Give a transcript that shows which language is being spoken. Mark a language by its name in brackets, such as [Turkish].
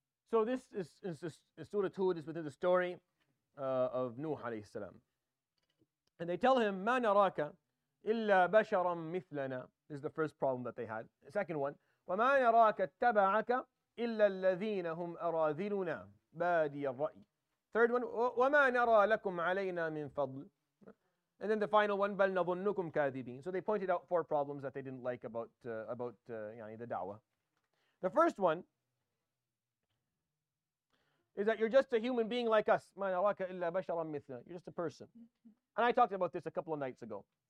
[English] So this is Surah Hud, is within the story of Nuh alayhi salam. And they tell him, [Arabic] ما نراك إلا بشرا مثلنا. [English] This is the first problem that they had. Second one, [Arabic] وما نراك اتبعك إلا الذين هم أراذلنا بادي الرأي. [English] Third one, [Arabic] وما نرى لكم علينا من فضل. [English] And then the final one, [Arabic] بل نظنكم كاذبين. [English] So they pointed out four problems that they didn't like about the da'wah. The first one is that you're just a human being like us. You're just a person. And I talked about this a couple of nights ago.